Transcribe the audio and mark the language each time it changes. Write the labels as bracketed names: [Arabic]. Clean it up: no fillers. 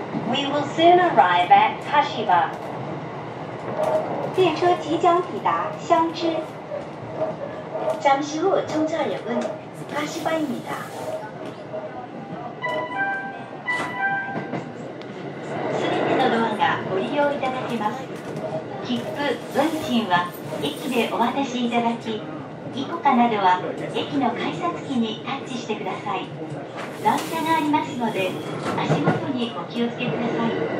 [English] We will soon arrive at Kashiba. [Chinese] 列车即将抵达香芝。 [Korean] 잠시후청차역은 Kashiba 입니다 [Japanese] すべてのドアがご利用いただけます。切符、運賃は駅でお渡しいただき、イコカなどは駅の改札機にタッチしてください。段差がありますので、足元にお気をつけください。